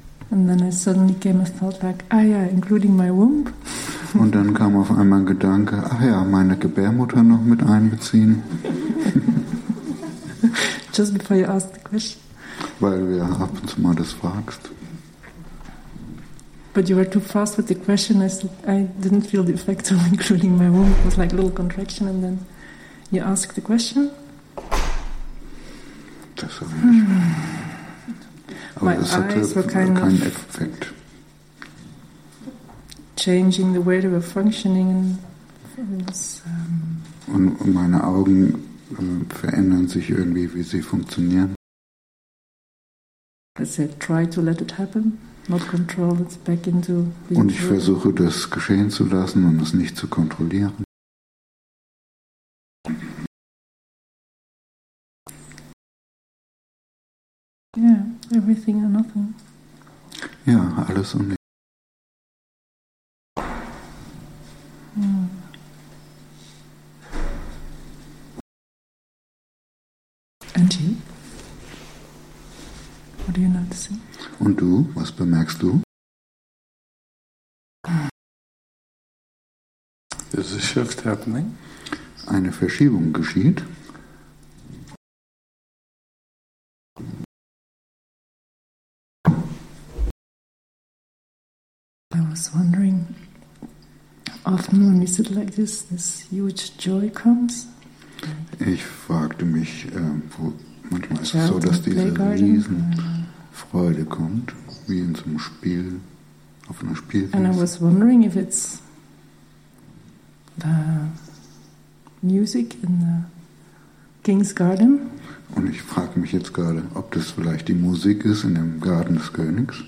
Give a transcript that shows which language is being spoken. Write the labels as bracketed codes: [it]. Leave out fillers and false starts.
[en] And then I suddenly came a thought like, ah yeah, including my womb. [de] Und dann kam auf einmal ein Gedanke, ach ja, meine Gebärmutter noch mit einbeziehen. [en] Just before you asked the question. [de] Weil wir ab und zu mal das fragst. [en] But you were too fast with the question. I didn't feel the effect of including my womb. It was like a little contraction and then you asked the question. [de] Das habe ich aber es hatte keinen Effekt. [en] Changing the way they were functioning. And was, [de] und meine Augen verändern sich irgendwie, wie sie funktionieren. [en] I said, try to let it happen, not control it back into the. [de] Und ich versuche, das geschehen zu lassen und es nicht zu kontrollieren. [en] Yeah, everything and nothing. [de] Ja, alles und nichts. [en] And you? What do you notice? [de] Und du, was bemerkst du? [en] There's a shift happening. [de] Eine Verschiebung geschieht. [en] I was wondering, often when you sit like this, this huge joy comes. [de] Ich fragte mich, wo manchmal ist es so, dass diese Riesenfreude kommt, wie in so einem Spiel, auf einer Spielwiese. [en] And I was wondering if it's the music in the King's Garden. [de] Und ich frage mich jetzt gerade, ob das vielleicht die Musik ist in dem Garten des Königs.